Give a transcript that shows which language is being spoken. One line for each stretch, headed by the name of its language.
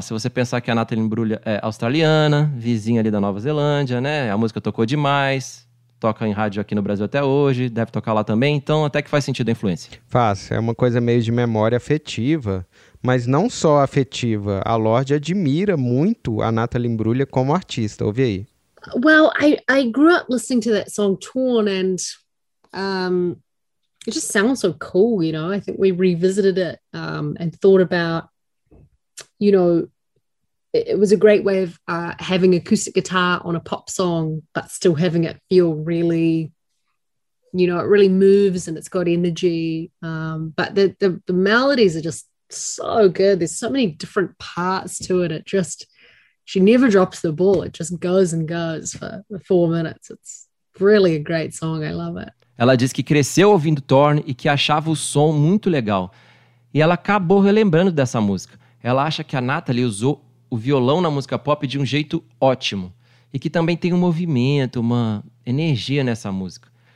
Portuguese: Se você pensar que a Natalie Imbruglia é australiana, vizinha ali da Nova Zelândia, né? A música tocou demais, toca em rádio aqui no Brasil até hoje, deve tocar lá também. Então até que faz sentido a influência. Faz, é uma coisa meio de memória afetiva. Mas não só afetiva, a Lorde admira muito a Natalie Imbruglia como artista. Ouve aí.
English: Well, I grew up listening to that song Torn, and it just sounds so cool, you know. I think we revisited it and thought about, you know, it was a great way of having acoustic guitar on a pop song, but still having it feel really, you know, it really moves and it's got energy. But the melodies are just so good. There's so many different parts to it. It just, she never drops the ball. It just goes and goes for 4 minutes. It's really a great song. I love it.
Portuguese: Ela disse que cresceu ouvindo Torn e que achava o som muito legal. E ela acabou relembrando dessa música. Ela acha que a Natalie usou o violão na música pop de um jeito ótimo. E que também tem um movimento, uma energia nessa música.